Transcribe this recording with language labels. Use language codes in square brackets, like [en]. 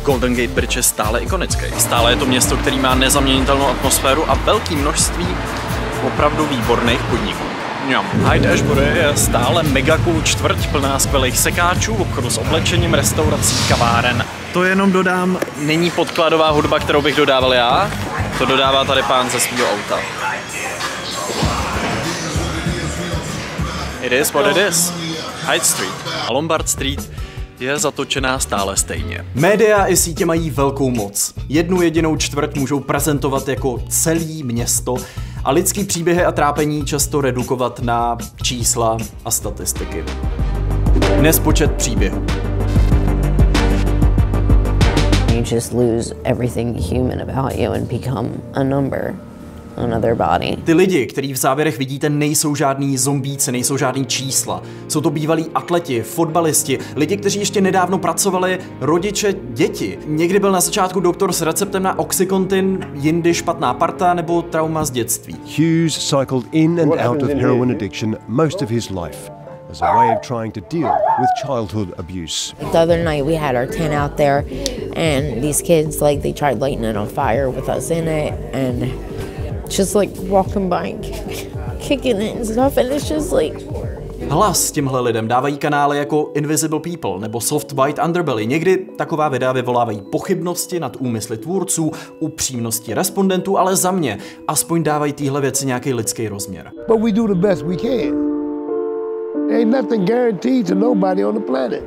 [cs] Golden Gate Bridge je stále ikonický. Stále je to město, který má nezaměnitelnou atmosféru a velký množství opravdu výborných podniků. Hyde Ashbury je stále mega cool čtvrť plná skvělých sekáčů, obchodu s oblečením, restaurací, kaváren. To jenom dodám, není podkladová hudba, kterou bych dodával já, to dodává tady pán ze svýho auta. [en] It is what it is. Hyde Street. A Lombard Street [cs] je zatočená stále stejně. Média i sítě mají velkou moc. Jednu jedinou čtvrť můžou prezentovat jako celý město a lidský příběhy a trápení často redukovat na čísla a statistiky. Nespočet příběhů. [en] You just lose everything human about you and become a number. Another body. [cs] Ty lidi, který v závěrech vidíte, nejsou žádný zombíci, nejsou žádný čísla. Jsou to bývalí atleti, fotbalisti, lidi, kteří ještě nedávno pracovali, rodiče, děti. Někdy byl na začátku doktor s receptem na oxycontin, jindy špatná parta nebo trauma z dětství. [en] Hughes cycled in and out of heroin addiction most of his life as a way of trying to deal with childhood abuse. The other night we had our tent out there and these kids, like, they tried lighting it on fire with us in it and just like walking by and kicking it and stuff, and it's just like... [cs] Hlas těmhle lidem dávají kanály jako Invisible People nebo Soft White Underbelly. Někdy taková videa vyvolávají pochybnosti nad úmysly tvůrců, upřímnosti respondentů, ale za mě aspoň dávají téhle věci nějaký lidský rozměr. [en] But we do the best we can. Ain't nothing guaranteed to nobody on the planet.